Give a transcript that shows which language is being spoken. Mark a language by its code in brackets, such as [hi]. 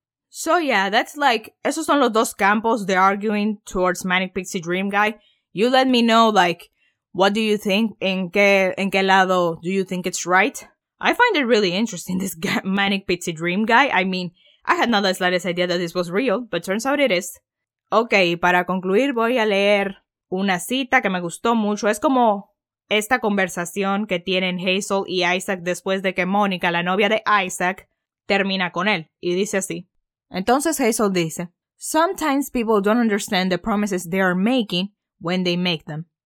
[en] So yeah, that's like, [es] esos son los dos campos de [en] arguing towards Manic Pixie Dream Guy. You let me know, like, what do you think? [es] En qué lado [en] do you think it's right? I find it really interesting, this Manic Pixie Dream Guy. I mean, I had not the slightest idea that this was real, but turns out it is. [es] Okay, para concluir voy a leer una cita que me gustó mucho. Es como esta conversación que tienen Hazel y Isaac después de que Mónica, la novia de Isaac, termina con él. Y dice así. Entonces Hazel dice, [en] Sometimes people don't understand the promises they are making when they make them.